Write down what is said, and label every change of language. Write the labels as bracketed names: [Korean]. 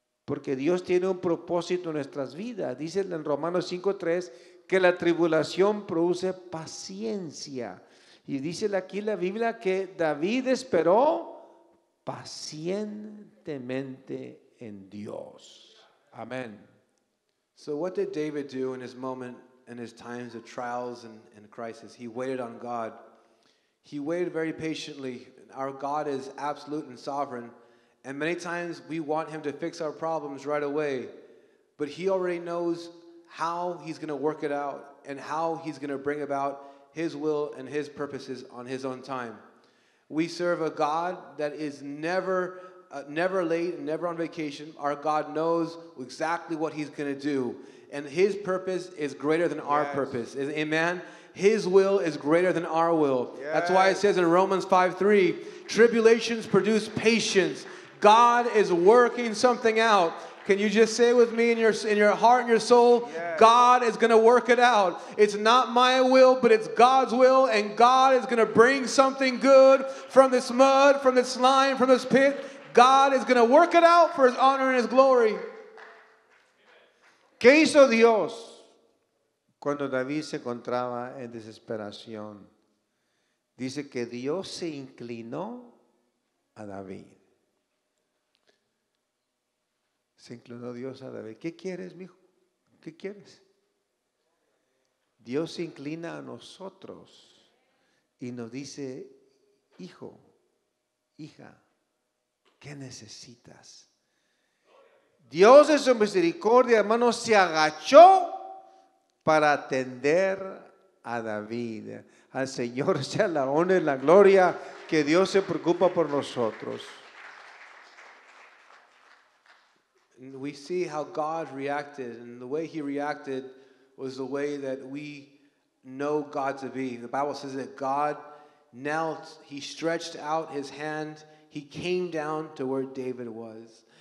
[Spanish] Porque Dios tiene un propósito en nuestras vidas. Dice en Romanos 5:3 que la tribulación produce paciencia. Y dice aquí la Biblia que David esperó pacientemente en Dios. Amén. [English] So what did David do in his moment, in his times of trials and crisis? He waited on God. He waited very patiently. Our God is absolute and sovereign. And many times we want him to fix our problems right away, but he already knows how he's going to work it out and how he's going to bring about his will and his purposes on his own time. We serve a God that is never late, never on vacation. Our God knows exactly what he's going to do, and his purpose is greater than our purpose. Amen. His will is greater than our will. Yes. That's why it says in Romans 5:3, tribulations produce patience. God is working something out. Can you just say with me in your heart and your soul, yes. God is going to work it out. It's not my will, but it's God's will, and God is going to bring something good from this mud, from this slime, from this pit. God is going to work it out for his honor and his glory. [Spanish] ¿Qué hizo Dios cuando David se encontraba en desesperación? Dice que Dios se inclinó a David. Se inclinó Dios a David. ¿Qué quieres, mijo? ¿Qué quieres? Dios se inclina a nosotros y nos dice, hijo, hija, ¿Qué necesitas? Dios en su misericordia, hermano, se agachó para atender a David. Al Señor sea la honra y la gloria, que Dios se preocupa por nosotros. [English] We see how God reacted, and the way he reacted was the way that we know God to be. The Bible says that God knelt, he stretched out his hand, he came down to where David was.